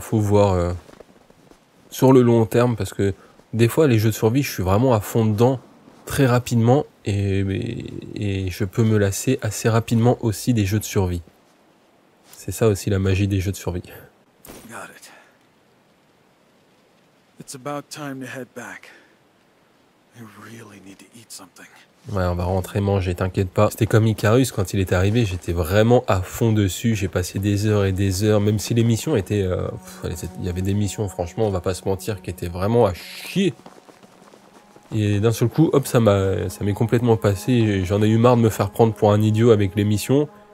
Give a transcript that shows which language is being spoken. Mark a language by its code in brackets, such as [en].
[fr] Faut voir sur le long terme, parce que des fois, les jeux de survie, je suis vraiment à fond dedans très rapidement et je peux me lasser assez rapidement aussi des jeux de survie. C'est ça aussi la magie des jeux de survie. [en] Got it. It's about time to head back. I really need to eat something. [fr] Ouais, on va rentrer manger, t'inquiète pas. C'était comme Icarus, quand il est arrivé, j'étais vraiment à fond dessus. J'ai passé des heures et des heures, même si les missions étaient... il y avait des missions, franchement, on va pas se mentir, qui étaient vraiment à chier. Et d'un seul coup, hop, ça m'est complètement passé. J'en ai eu marre de me faire prendre pour un idiot avec les missions.